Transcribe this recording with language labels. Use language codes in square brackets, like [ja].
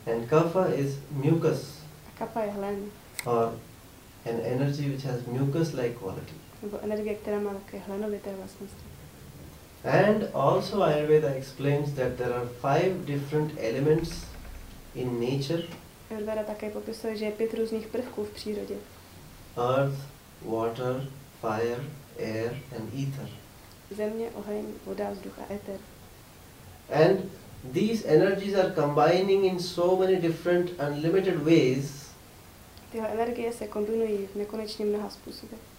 [en] And kapha is mucus. [cs] A kapha je hlen. [en] Or an energy which has mucus-like quality. [cs] Nebo energie, která má také hlenovité vlastnosti. [en] And also Ayurveda explains that there are five different elements in nature. [cs] Ayurveda také popisuje, že je pět různých prvků v přírodě. [en] Earth, water, fire, air and ether. [cs] Země, oheň, voda, vzduch a éter. [en] And these energies are combining in so many different unlimited ways. [cs] Tyhle energie se kombinují v nekonečně mnoha způsoby.